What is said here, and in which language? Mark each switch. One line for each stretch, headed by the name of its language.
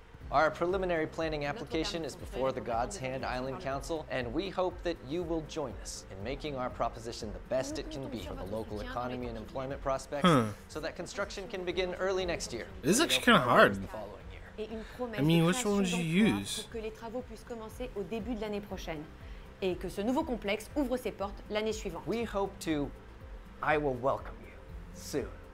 English: Our preliminary planning application is before the God's Hand Island Council, and we hope that you will join us in making our proposition the best it can be for the local economy and employment prospects, so that construction can begin early next year. This is actually kind of hard. The following year. I mean, which one would you use?
French: Pour que les travaux puissent commencer au début de l'année prochaine, et que ce nouveau complexe ouvre ses portes l'année suivante.
English: We hope to, I will welcome you soon.